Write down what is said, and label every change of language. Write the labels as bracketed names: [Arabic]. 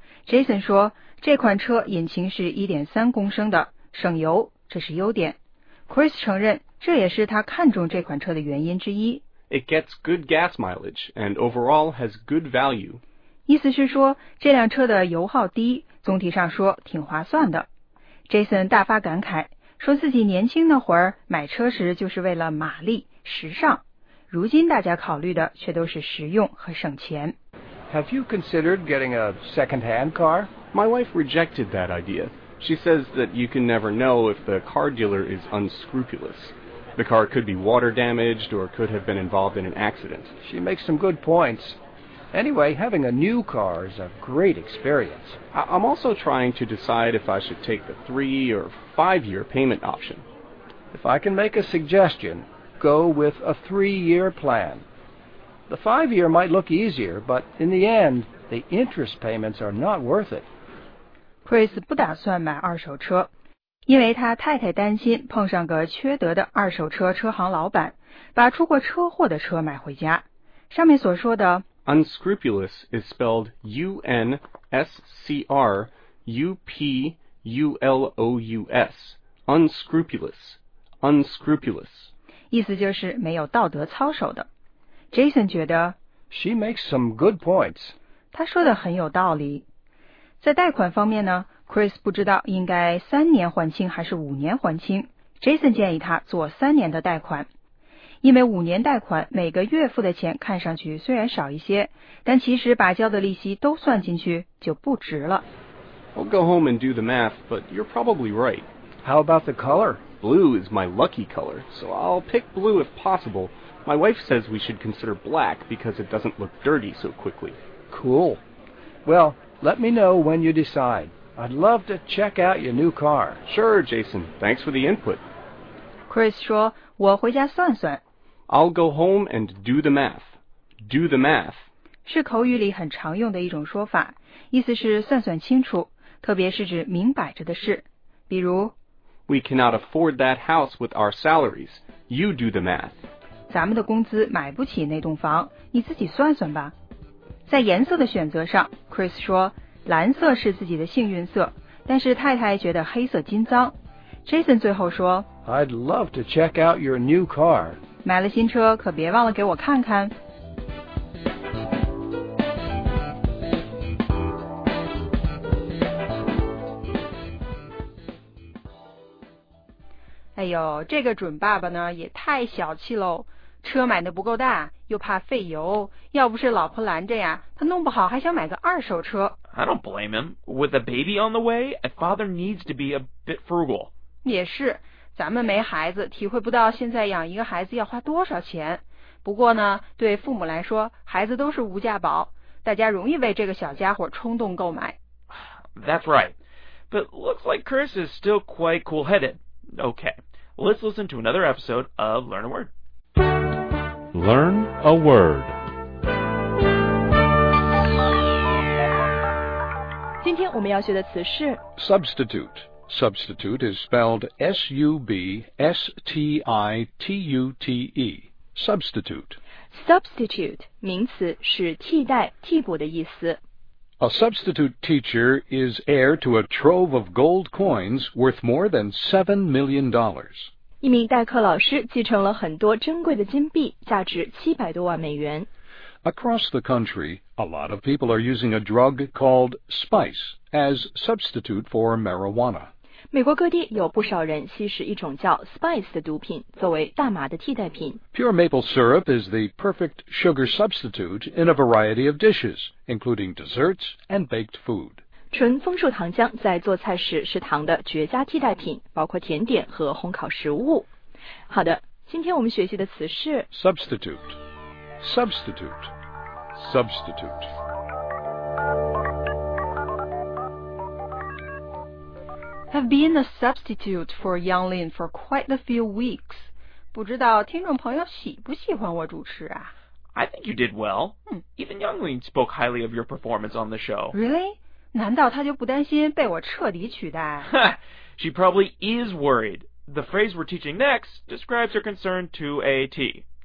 [Chinese] Jason 说这款车引擎是 1.3 公升的，省油，这是优点。 Chris 承认，这也是他看中这款车的原因之一。 [English] It gets good gas mileage and overall has good value. [Chinese] 意思是说，这辆车的油耗低，总体上说挺划算的。 Jason 大发感慨，说自己年轻那会儿买车时就是为了马力、时尚，如今大家考虑的却都是实用和省钱。 [English] Have you considered getting a second-hand car? My wife rejected that idea. She says that you can never know if the car dealer is unscrupulous. The car could be water damaged or could have been involved in an accident. She makes some good points. Anyway, having a new car is a great experience. I'm also trying to decide if I should take the 3 or 5 year payment option. If I can make a suggestion, go with a 3 year plan. The 5 year might look easier, but in the end, the interest payments are not worth it. [Chinese] Chris 不打算买二手车，因为他太太担心碰上个缺德的二手车车行老板，把出过车祸的车买回家。上面所说的 [English] unscrupulous is spelled U-N-S-C-R-U-P-U-L-O-U-S. Unscrupulous, unscrupulous. [Chinese] 意思就是没有道德操守的。Jason 觉得 [English] She makes some good points. [Chinese] 他说的很有道理。在贷款方面呢， Chris 不知道应该三年还清还是五年还清。 Jason 建议他做三年的贷款。因为五年贷款每个月付的钱看上去虽然少一些，但其实把交的利息都算进去就不值了。 [English] I'll go home and do the math, but you're probably right. How about the color? Blue is my lucky color, so I'll pick blue if possible. My wife says we should consider black because it doesn't look dirty so quickly. Cool. Well, let me know when you decide. I'd love to check out your new car. Sure, Jason. Thanks for the input. [Chinese] Chris 说我回家算算。 [English] I'll go home and do the math. Do the math. [Chinese] 是口语里很常用的一种说法，意思是算算清楚，特别是指明摆着的事。比如 [English] We cannot afford that house with our salaries. You do the math. [Chinese] 咱们的工资买不起那栋房，你自己算算吧。在颜色的选择上， Chris 说蓝色是自己的幸运色，但是太太觉得黑色金脏。 Jason 最后说 [English] I'd love to check out your new car. [Chinese] 买了新车可别忘了给我看看。哎呦，这个准爸爸呢也太小气喽，车买的不够大，又怕费油，要不是老婆拦着呀，他弄不好还想买个二手车。 [English] I don't blame him. With a baby on the way, a father needs to be a bit frugal. [Chinese] 也是，咱们没孩子，体会不到现在养一个孩子要花多少钱。不过呢，对父母来说，孩子都是无价宝，大家容易为这个小家伙冲动购买。 [English] That's right. But looks like Chris is still quite cool-headed. Okay, let's listen to another episode of Learn a Word. Learn a word. [Chinese] 今天我们要学的词是 [English] substitute. Substitute is spelled S-U-B-S-T-I-T-U-T-E. Substitute. [Chinese] Substitute 名词是替代、替补的意思。 [English] A substitute teacher is heir to a trove of gold coins worth more than $7 million. [Chinese] 一名代课老师继承了很多珍贵的金币，价值700多万美元。 [English] Across the country, a lot of people are using a drug called spice as substitute for marijuana. [Chinese] 美国各地有不少人吸食一种叫 spice 的毒品，作为大麻的替代品。 [English] Pure maple syrup is the perfect sugar substitute in a variety of dishes, including desserts and baked food. [Chinese] 纯枫树糖浆在做菜时是糖的绝佳替代品，包括甜点和烘烤食物。好的，今天我们学习的词是 [English] substitute, substitute, substitute. [Chinese] 我 [English] have been a substitute for Yang Lin for quite a few weeks. [Chinese] 不知道听众朋友喜不喜欢我主持啊？ [English] I think you did well. Even Yang Lin spoke highly of your performance on the show. Really? [Chinese] 难道他就不担心被我彻底取代？ [English] She probably is worried. The phrase we're teaching next describes her concern to a T.